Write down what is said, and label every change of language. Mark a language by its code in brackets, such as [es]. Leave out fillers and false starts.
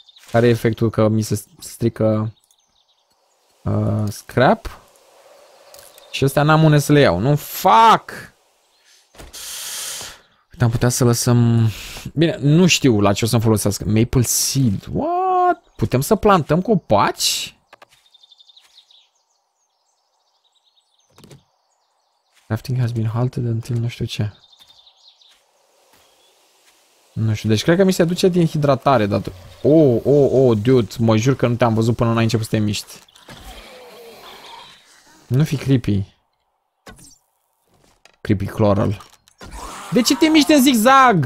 [ro] Care e efectul că mi se strică scrap? Și ăstea n-am unde să le iau. Nu, fuck! Uite, am putea să lăsăm... Bine, nu știu la ce o să-mi folosească. [en] Maple seed, what? [ro] Putem să plantăm copaci? [en] Crafting has been halted until [ro] nu știu ce. Nu știu, deci cred că mi se duce din hidratare, dar... [en] Oh, dude, [ro] mă jur că nu te-am văzut până n-ai început să te miști. Nu fi creepy. Creepy coral. De ce te miști în zigzag?